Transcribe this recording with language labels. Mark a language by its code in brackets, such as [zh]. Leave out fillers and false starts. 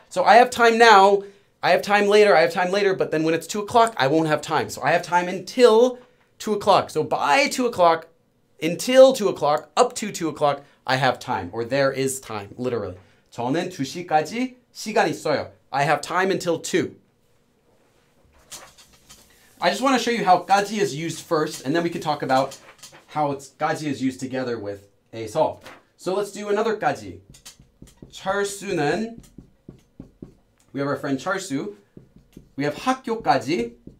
[en] So I have time now, I have time later, but then when it's 2 o'clock, I won't have time. So I have time until 2 o'clock. So by 2 o'clock, until 2 o'clock, up to 2 o'clock, I have time, or there is time, literally. [ko] 저는 2시까지 시간 있어요. [en] I have time until 2. I just want to show you how 까지 is used first, and then we can talk about how 까지 is used together with 에서. So let's do another 까지. 철수는, we have our friend 철수. We have 학교까지.